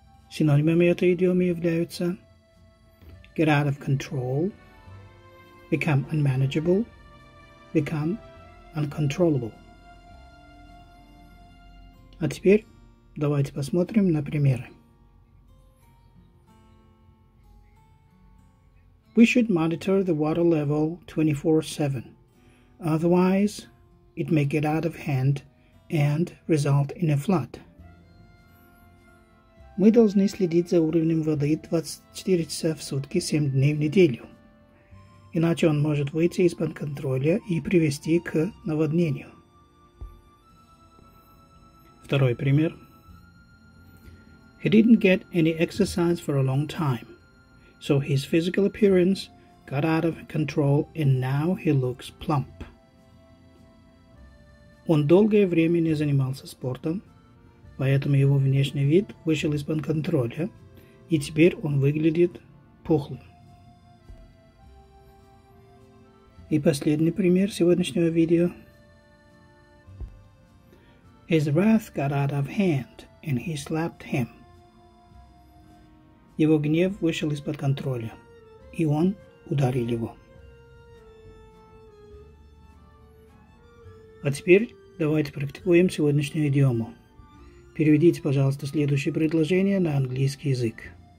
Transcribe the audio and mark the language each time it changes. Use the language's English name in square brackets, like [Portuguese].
[Russian] Синонимами этой идиомы являются [English] get out of control, become unmanageable, become uncontrollable. [Russian] А теперь давайте посмотрим на примеры. [English] We should monitor the water level 24/7, otherwise it may get out of hand and result in a flood. [Russian] Мы должны следить за уровнем воды 24 часа в сутки, 7 дней в неделю. Иначе он может выйти из-под контроля и привести к наводнению. Второй пример. [English] He didn't get any exercise for a long time. So his physical appearance got out of control and now he looks plump. [Russian] Он долгое время не занимался спортом, поэтому его внешний вид вышел из-под контроля, и теперь он выглядит пухлым. И последний пример сегодняшнего видео. [English] His wrath got out of hand and he slapped him. [Russian] Его гнев вышел из-под контроля, и он ударил его. А теперь давайте практикуем сегодняшнюю идиому. Переведите, пожалуйста, следующее предложение на английский язык.